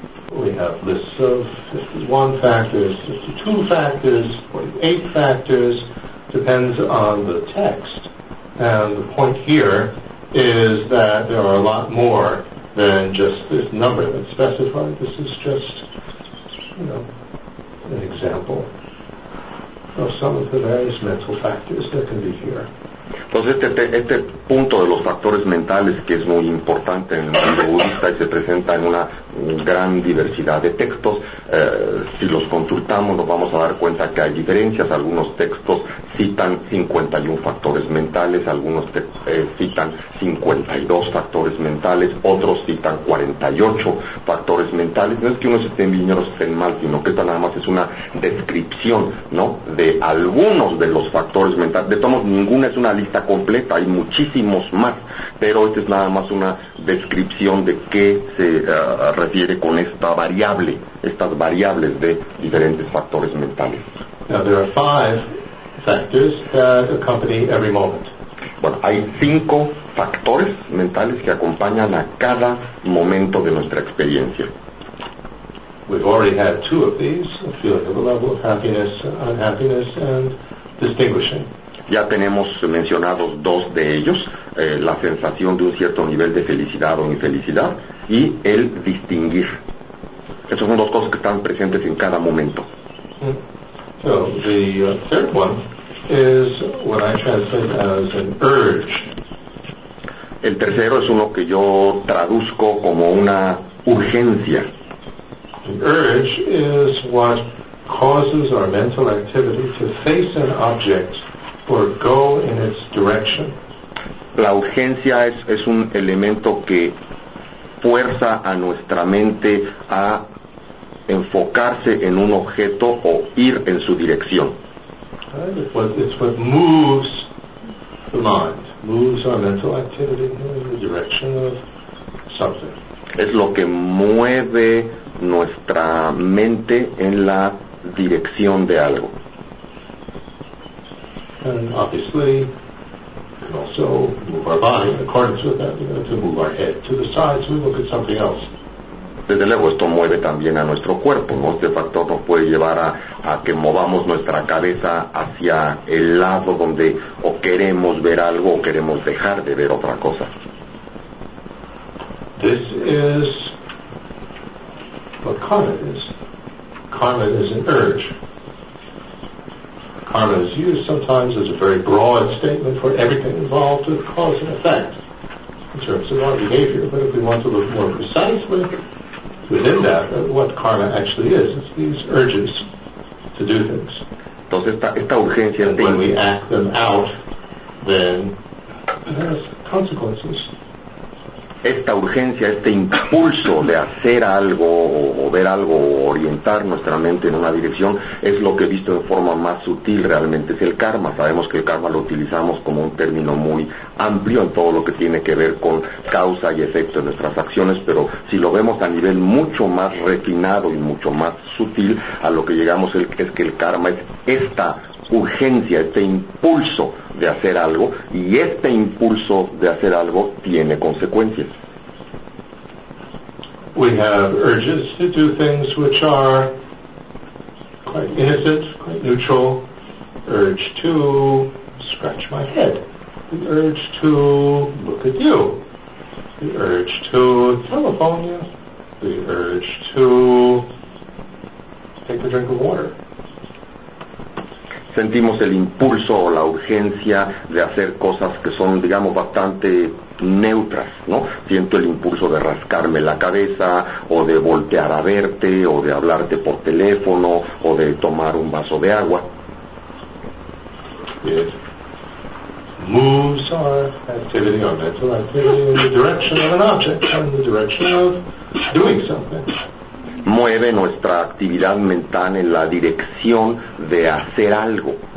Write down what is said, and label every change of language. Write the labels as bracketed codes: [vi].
[en] We have lists of 51 factors, 52 factors, 48 factors, depends on the text. And the point here is that there are a lot more than just this number that's specified. This is just, an example. of some of the various mental factors that can be here. [es] Entonces este punto de los factores mentales que es muy importante en el mundo budista y se presenta en una gran diversidad de textos, si los consultamos nos vamos a dar cuenta que hay diferencias. Algunos textos citan 51 factores mentales, algunos citan 52 factores mentales, otros citan 48 factores mentales. No es que unos estén bien y otros estén mal, sino que esta nada más es una descripción, ¿no?, de algunos de los factores mentales. De todos, ninguna es una lista completa, hay muchísimos más, pero esta es nada más una descripción de qué se refiere con esta variable, estas variables de diferentes factores mentales. [en] Now there are five factors that accompany every moment. [es] Bueno, hay cinco factores mentales que acompañan a cada momento de nuestra experiencia. [en] We've already had two of these, a feeling of a level of happiness, unhappiness, and distinguishing. [es] Ya tenemos mencionados dos de ellos, la sensación de un cierto nivel de felicidad o infelicidad y el distinguir. Esas son dos cosas que están presentes en cada momento. [en] So, the third one is what I translate as an urge. [es] El tercero es uno que yo traduzco como una urgencia. [en] An urge is what causes our mental activity to face an object or go in its direction. [es] La urgencia es un elemento que fuerza a nuestra mente a enfocarse en un objeto o ir en su dirección. [en] It's what moves the mind, moves our mental activity in the direction of something. [es] Es lo que mueve nuestra mente en la dirección de algo. [en] And obviously, we can also move our body in accordance with that. We're going to move our head to the sides, so we look at something else. [es] Desde luego esto mueve también a nuestro cuerpo, ¿no? Este factor nos puede llevar a que movamos nuestra cabeza hacia el lado donde o queremos ver algo o queremos dejar de ver otra cosa. [en] This is what karma is. Karma is an urge. Karma is used sometimes as a very broad statement for everything involved with cause and effect in terms of our behavior, but if we want to look more precisely within that, what karma actually is, it's these urges to do things. [es] Entonces esta urgencia, [en] and when we act them out, then it has consequences. [es] Esta urgencia, este impulso de hacer algo o ver algo o orientar nuestra mente en una dirección es lo que he visto de forma más sutil realmente, es el karma. Sabemos que el karma lo utilizamos como un término muy amplio en todo lo que tiene que ver con causa y efecto de nuestras acciones, pero si lo vemos a nivel mucho más refinado y mucho más sutil, a lo que llegamos es que el karma es esta urgencia, este impulso de hacer algo, y este impulso de hacer algo tiene consecuencias. [en] We have urges to do things which are quite innocent, quite neutral. Urge to scratch my head. The urge to look at you. The urge to telephone you. The urge to take a drink of water. [es] Sentimos el impulso o la urgencia de hacer cosas que son, digamos, bastante neutras, ¿no? Siento el impulso de rascarme la cabeza, o de voltear a verte, o de hablarte por teléfono, o de tomar un vaso de agua. [en] It moves our activity, our mental activity, in the direction of an object, in the direction of doing something. [es] Mueve nuestra actividad mental en la dirección de hacer algo.